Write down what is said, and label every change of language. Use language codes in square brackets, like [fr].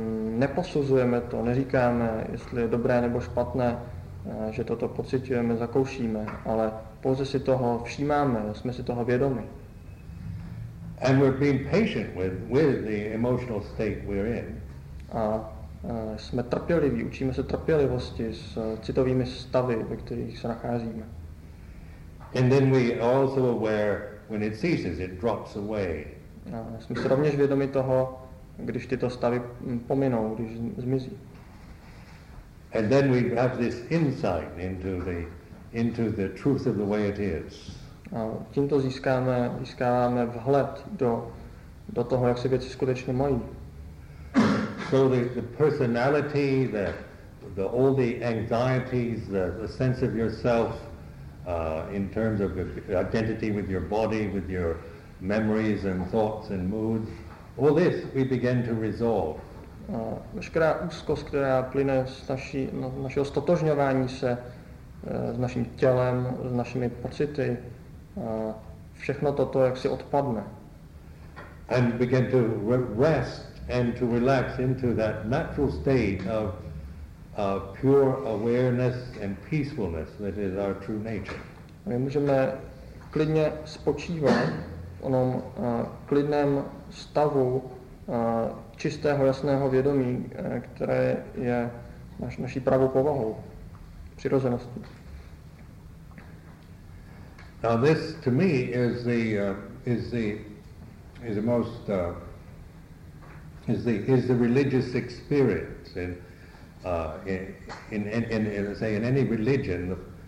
[cs] Neposuzujeme to, neříkáme, jestli je dobré nebo špatné, že toto pociťujeme, zakoušíme, ale pouze si toho všímáme, jsme si toho vědomi. [en] And we're being patient with the emotional state we're in. [cs] A jsme trpěliví, učíme se trpělivosti s citovými stavy, ve kterých se nacházíme. [en] And then we are also aware when it ceases, it drops away. [cs] A jsme si rovněž vědomi toho, když tyto stavy pominou, když zmizí. [en] And then we have this insight into the truth of the way it is. [cs] A tímto získáváme vhled do toho, jak se věci skutečně mají. [en] So the personality, the all the anxieties, the sense of yourself in terms of identity with your body, with your memories and thoughts and moods. All this we begin to resolve. [cs] Veškerá úzkost, která plyne z našeho stotožňování se s naším tělem, s našimi pocity, všechno toto jak si odpadne. [en] And begin to rest and to relax into that natural state of pure awareness and peacefulness that is our true nature. [cs] My můžeme klidně spočívat v onom klidném stavu čistého, jasného vědomí, které je naší pravou povahou, přirozeností. [en] Now this to me is the religious experience in any religion.